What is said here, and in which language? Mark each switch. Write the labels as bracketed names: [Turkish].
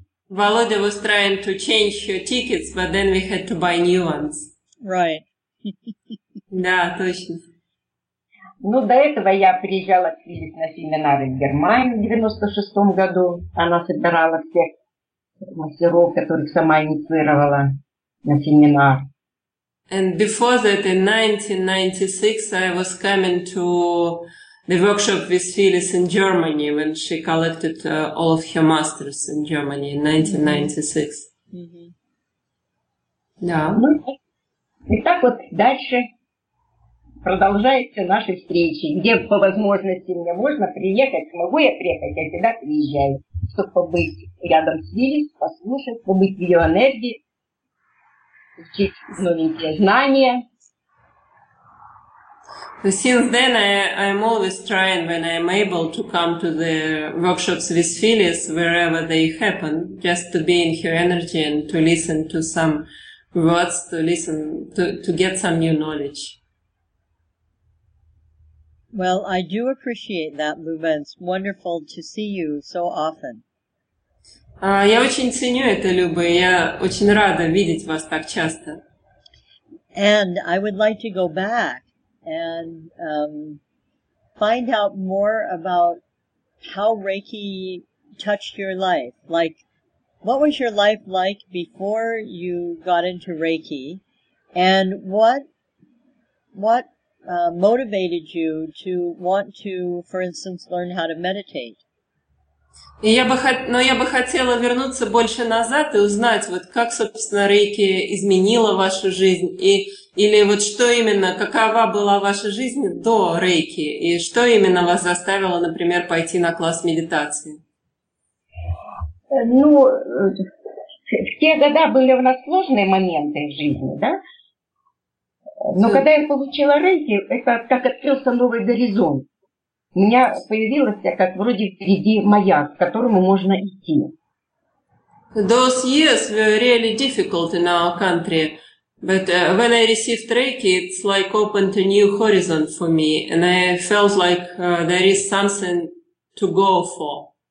[English] Володя was trying to change her tickets, but then we had to buy new ones. Right. [Russian] Да, точно. Ну, до этого я приезжала к Филипп на семинары в Германию в 96 году. Она собирала всех мастеров, которых сама инициировала на семинар. [English] And before that, in 1996, I was coming to the workshop with Phyllis in Germany when she collected all of her masters in Germany in 1996. Mm-hmm. [Russian] Yeah. И так вот дальше продолжаются наши встречи, где по возможности мне можно приехать, могу я приехать, я всегда приезжаю, чтобы побыть рядом с Филис, послушать, побыть в ее энергии, учить новенькие знания. [English] Since then, I'm always trying, when I'm able, to come to the workshops with Phyllis, wherever they happen, just to be in her energy and to listen to some words, to get some new knowledge. Well, I do appreciate that, Luba. It's wonderful to see you so often. [Russian] Я очень ценю это, Люба. Я очень рада видеть вас так часто. [English] And I would like to go back and find out more about how Reiki touched your life. Like, what was your life like before you got into Reiki? And what motivated you to want to, for instance, learn how to meditate? [Russian] Я бы хотела вернуться больше назад и узнать, вот как, собственно, Рейки изменила вашу жизнь, или вот что именно, какова была ваша жизнь до Рейки, и что именно вас заставило, например, пойти на класс медитации? Ну, в те годы были у нас сложные моменты в жизни, да? Но когда я получила Рейки, это как открылся новый горизонт. У меня появилось, как вроде впереди маяк, к которому можно идти. [English] Those years were really difficult in our country, but when I received Reiki, it's like opened a new horizon for me, and I felt like there is something to go for.